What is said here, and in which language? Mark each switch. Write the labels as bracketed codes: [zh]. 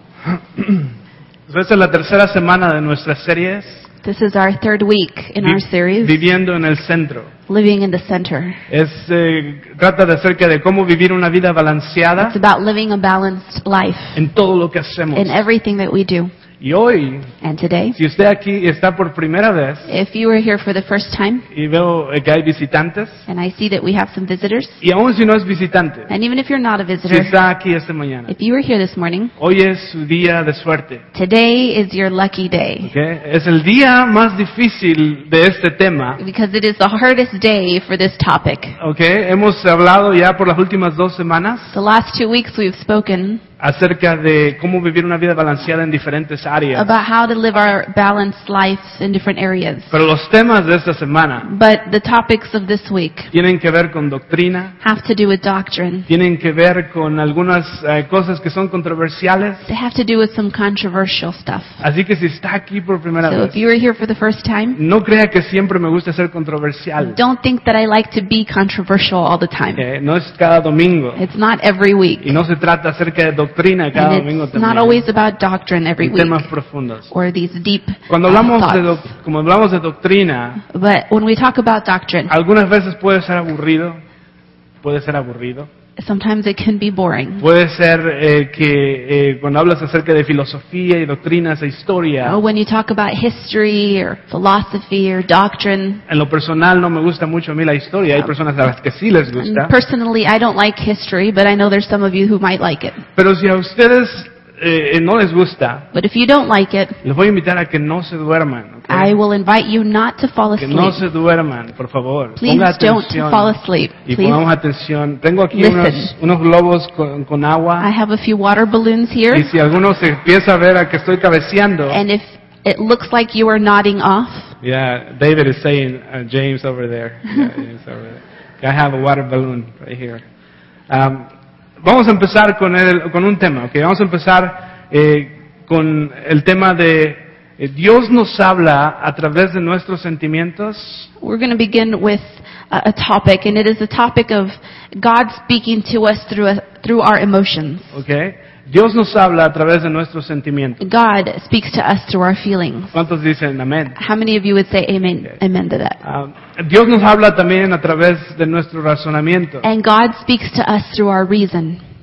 [es] Esta es la tercera semana de nuestras series. [en] This is our third week in our series. [es] Viviendo en el centro. [en] Living in the center. [es] Trata de acerca de cómo vivir una vida balanceada. [en] It's about living a balanced life. [es] En todo lo que hacemos. [en] In everything that we do. [es] Y hoy, [en] and today, [es] si usted aquí está por primera vez, [en] if you are here for the first time, [es] y veo que hay visitantes, [en] and I see that we have some visitors, [es] y aún si no es visitante, [en] and even if you're not a visitor, [es] si está aquí esta mañana, [en] if you are here this morning, [es] hoy es su día de suerte. [en] Today is your lucky day. Okay? [es] Es el día más difícil de este tema. [en] Because it is the hardest day for this topic. Okay? [es] Hemos hablado ya por las últimas dos semanas. [en] The last 2 weeks we've spoken [es] acerca de cómo vivir una vida balanceada en diferentes áreas. [en] About how to live our balanced lives in different areas. [es] Pero los temas de esta semana, [en] but the topics of this week, [es] tienen que ver con doctrina, [en] have to do with doctrine, [es] tienen que ver con algunas cosas que son controversiales, [en] they have to do with some controversial stuff. [es] Así que si está aquí por primera vez, [en] if you are here for the first time, [es] no crea que siempre me gusta ser controversial. [en] Don't think that I like to be controversial all the time. [es] Okay, no es cada domingo. [en] It's not every week. [es] Y no se trata acerca de doctrina cada domingo también. [en] It's not always about doctrine every week. [es] Temas profundos. [en] Or these deep thoughts. [es] Cuando hablamos de como hablamos de doctrina, [en] but when we talk about doctrine, [es] algunas veces puede ser aburrido. Puede ser aburrido. [en] Sometimes it can be boring. [es] Puede ser que cuando hablas acerca de filosofía y doctrinas e historia. [en] Oh, when you talk about history or philosophy or doctrine. [es] En lo personal no me gusta mucho a mí la historia. Hay personas a las que sí les gusta. [en] Personally, I don't like history, but I know there's some of you who might like it. [es] Pero si a ustedes no les gusta, [en] but if you don't like it, [es] les voy a invitar a que no se duerman, okay? [en] I will invite you not to fall asleep. [es] Que no se duerman, por favor. [en] Please [es] ponga atención, [en] don't fall asleep. Please. [es] Y pongamos atención. Tengo aquí unos globos con agua. [en] I have a few water balloons here. [es] Y si alguno se empieza a ver a que estoy cabeceando, [en] and if it looks like you are nodding off, yeah, David is saying James over there. Yeah, James over there. I have a water balloon right here. [es] Vamos a empezar con un tema, ¿ok? Vamos a empezar con el tema de Dios nos habla a través de nuestros sentimientos. [en] We're going to begin with a topic, and it is a topic of God speaking to us through our emotions. Okay. [es] Dios nos habla a través de nuestros sentimientos. [en] God speaks to us through our feelings. [es] ¿Cuántos dicen amén? [en] How many of you would say amen, okay, amen to that? [es] Dios nos habla también a través de nuestro razonamiento. [en] And God speaks to us through our reason.